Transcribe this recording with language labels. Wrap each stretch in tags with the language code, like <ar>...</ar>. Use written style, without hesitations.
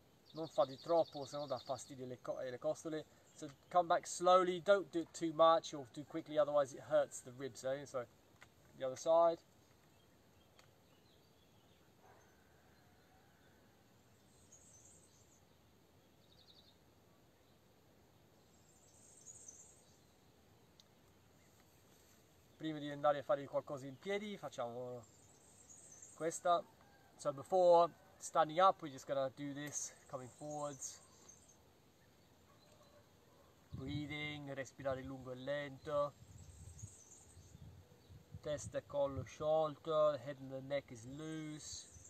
<it>Non fate troppo, se no dà fastidio alle costole.</it> <en>So come back slowly, don't do it too much or too quickly, otherwise it hurts the ribs, eh? So the other side.</en> <it>Prima di andare a fare qualcosa in piedi, facciamo questa.</it> <en>So before standing up, we're just gonna do this, coming forwards. Breathing,</en> <it>respirare lungo e lento. Testa e collo sciolto,</it> <en>head and the neck is loose.</en>